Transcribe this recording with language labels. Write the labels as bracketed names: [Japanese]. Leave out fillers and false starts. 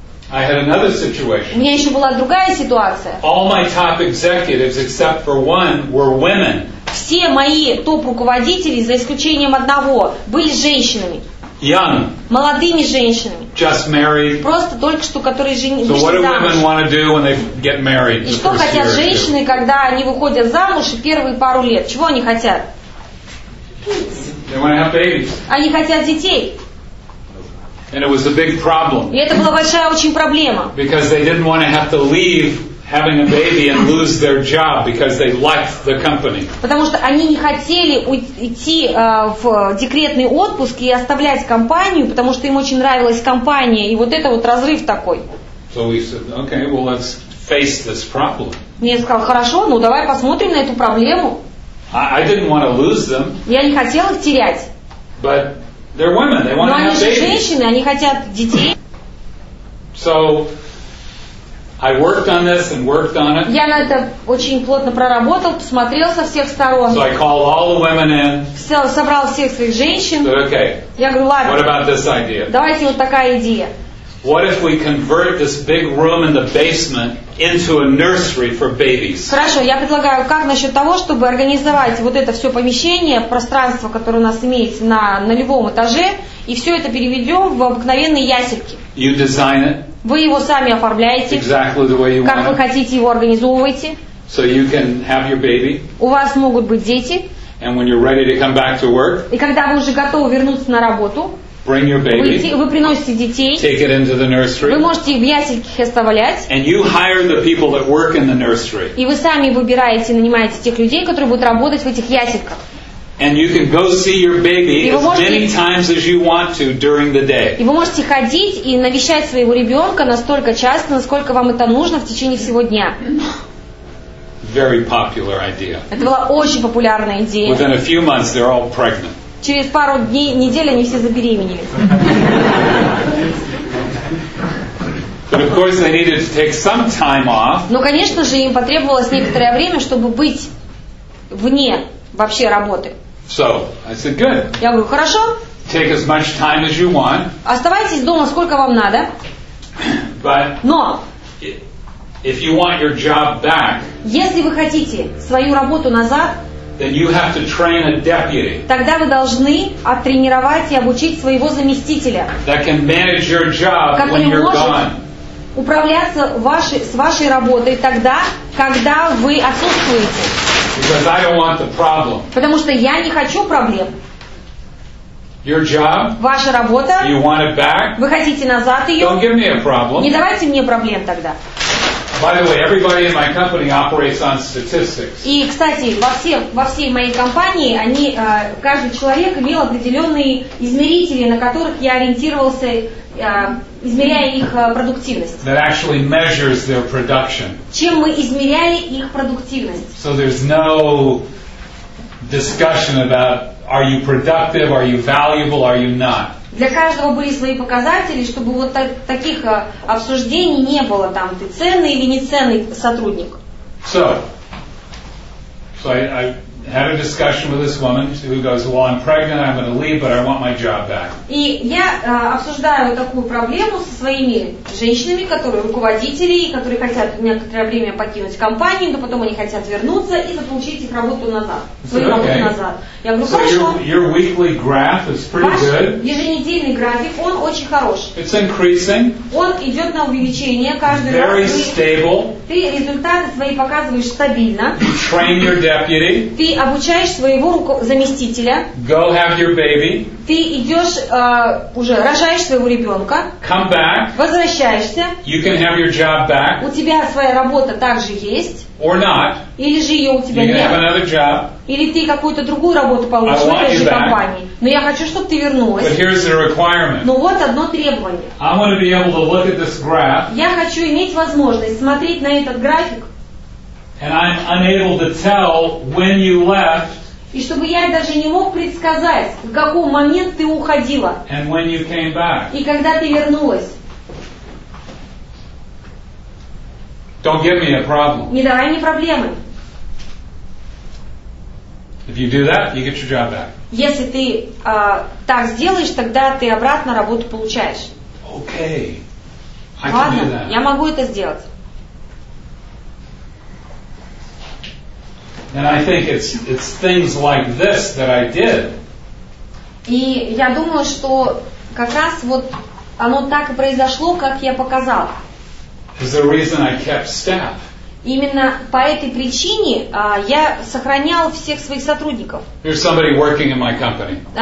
[English] I had another situation. [Russian] У меня еще была другая ситуация. [English] All my top executives, except for one, were women. [Russian] Все мои топ-руководители, за исключением одного, были женщинами. [English] Young. [Russian] Молодыми женщинами. [English] Just married. [Russian] Просто только что, которые женились. [English] So what do women want to do when they get married? [Russian] И что хотят женщины, когда они выходят замуж и первые пару лет? Чего они хотят? [English] They want to have babies. [Russian] Они хотят детей. [English] And it was a big problem. [Russian] И это была большая очень проблема. [English] Because they didn't want to have to leave having a baby and lose their job because they liked the company. [Russian] Потому что они не хотели идти в декретный отпуск и оставлять компанию, потому что им очень нравилась компания, и вот это вот разрыв такой. [English] So we said, okay, well let's face this problem. [Russian] Мне сказал, хорошо, ну давай посмотрим на эту проблему. [English] I didn't want to lose them. [Russian] Я не хотел их терять. [English] But they're women, they want to have babies. [Russian] Но они же женщины, они хотят детей. [English] So I worked on this and worked on it. [Russian] Я на это очень плотно проработал, посмотрел со всех сторон. [English] So I called all the women in. [Russian] Собрал всех своих женщин. [English] So, okay. [Russian] Я говорю, ладно. [English] What about this idea? [Russian] Давайте вот такая идея. [English] What if we convert this big room in the basement into a nursery for babies? [Russian] Хорошо, я предлагаю, как насчет того, чтобы организовать вот это все помещение, пространство, которое у нас имеется на любом этаже, и все это переведем в обыкновенные ясельки. [English] You design it. [Russian] Вы его сами оформляете. [English] Exactly the way you [Russian] как [English] want. [Russian] Как вы хотите его организовывайте. [English] So you can have your baby. [Russian] У вас могут быть дети. [English] And when you're ready to come back to work. [Russian] И когда вы уже готовы вернуться на работу. [English] Bring your baby. [Russian] Вы приносите детей. [English] Take it into the nursery. [Russian] Вы можете их в ясельках оставлять. [English] And you hire the people that work in the nursery. [Russian] И вы сами выбираете и нанимаете тех людей, которые будут работать в этих ясельках. [English] And you can go see your baby as many times as you want to during the day. [Russian] И вы можете ходить и навещать своего ребенка настолько часто, насколько вам это нужно в течение всего дня. [English] Very popular idea. [Russian] Это была очень популярная идея. [English] Within a few months, they're all pregnant. [Russian] Через пару дней, недель они все забеременели. [English] But of course, they needed to take some time off. [Russian] Но, конечно же, им потребовалось некоторое время, чтобы быть вне вообще работы. [English] So, I said, good. [Russian] Я говорю, хорошо. [English] Take as much time as you want. [Russian] Оставайтесь дома сколько вам надо. [English] But, [Russian] но, [English] if you want your job back, [Russian] если вы хотите свою работу назад, [English] then you have to train a deputy. [Russian] Тогда вы должны оттренировать и обучить своего заместителя, [English] that can manage your job when you're gone. [Russian] Который может управляться с вашей работой тогда, когда вы отсутствуете. [English] Because I don't want the problem. [Russian] Потому что я не хочу проблем. [English] Your job? [Russian] Ваша работа? [English] You want it back? [Russian] Вы хотите назад ее? [English] Don't give me a problem. [Russian] Не давайте мне проблем тогда. [English] By the way, everybody in my company operates on statistics. [Russian] И, кстати, во всей моей компании они каждый человек имел определенные измерители, на которых я ориентировался, измеряя их продуктивность. [English] That actually measures their production. [Russian] Чем мы измеряли их продуктивность? [English] So there's no discussion about are you productive, are you valuable, are you not? [Russian] Для каждого были свои показатели, чтобы вот таких обсуждений не было там, ты ценный или не ценный сотрудник. [English] So I had a discussion with this woman who goes, well, I'm pregnant, I'm going to leave, but I want my job back. [Russian] И я обсуждаю такую проблему со своими женщинами, которые руководители, которые хотят некоторое время покинуть компанию, но потом они хотят вернуться и заполучить их работу назад. Свою [English] okay. [Russian] работу назад. Я говорю, хорошо. [English] Your weekly graph is pretty [Russian] ваш [English] good. [Russian] Еженедельный график, он очень хорош. [English] It's increasing. [Russian] Он идет на увеличение каждый [English] Very [Russian] раз. [English] Very stable. [Russian] Ты результаты свои показываешь стабильно. [English] You train your deputy. [Russian] Ты обучаешь своего заместителя. [English] Go have your baby. [Russian] Ты идешь, уже рожаешь своего ребенка. [English] Come back. [Russian] Возвращаешься. [English] You can have your job back. [Russian] У тебя своя работа также есть. [English] Or not. [Russian] Или же ее у тебя [English] you [Russian] нет. [English] You have another job. [Russian] Или ты какую-то другую работу получишь в этой же компании. [English] Back. [Russian] Но я хочу, чтобы ты вернулась. [English] But here's the requirement. [Russian] Но вот одно требование. [English] I want to be able to look at this graph. [Russian] Я хочу иметь возможность смотреть на этот график. [English] And I'm unable to tell when you left. [Russian] И чтобы я даже не мог предсказать, в какой момент ты уходила. [English] And when you came back. [Russian] И когда ты вернулась. [English] Don't give me a problem. [Russian] Не давай мне проблемы. [English] If you do that, you get your job back. [Russian] Если ты так сделаешь, тогда ты обратно работу получаешь. [English] Okay. I [Russian] Ладно, [English] can do that. [Russian] Я могу это сделать. [English] And I think it's things like this that I did. [Russian] И я думаю, что как раз вот оно так и произошло, как я показал. [English] Is the reason I kept staff. [Russian] Именно по этой причине я сохранял всех своих сотрудников. [English] Here's somebody working in my company.